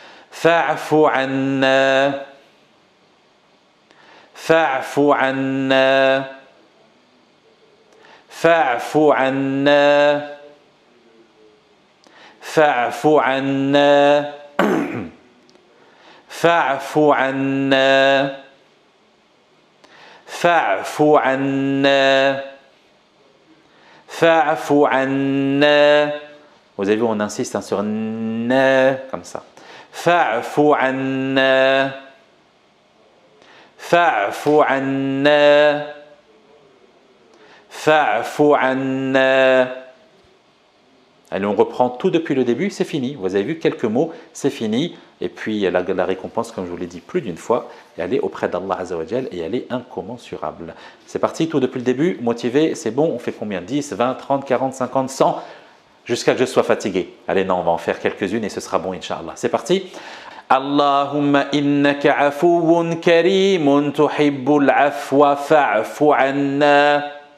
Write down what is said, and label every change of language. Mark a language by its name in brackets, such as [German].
[Arabic] فاعفو عنا فاعفو عنا فاعفو عنا فاعفو عنا فاعفو عنا فاعفو عنا فاعفو عنا. [French] Vous avez vu, on insiste hein, sur n comme ça. [Arabic] فاعفو عنا فاعفو عنا فاعفو عنا. [French] Allez, on reprend tout depuis le début, c'est fini. Vous avez vu quelques mots, c'est fini. Et puis la récompense, comme je vous l'ai dit plus d'une fois, elle est auprès d'Allah Azza wa Jal et elle est incommensurable. C'est parti, tout depuis le début, motivé, c'est bon. On fait combien ? 10, 20, 30, 40, 50, 100. jusqu'à ce que je sois fatigué. Allez, non, on va en faire quelques-unes et ce sera bon, inshallah. C'est parti. [Arabic] اللهم إنك عفو كريم تحب العفو فاعف عنا.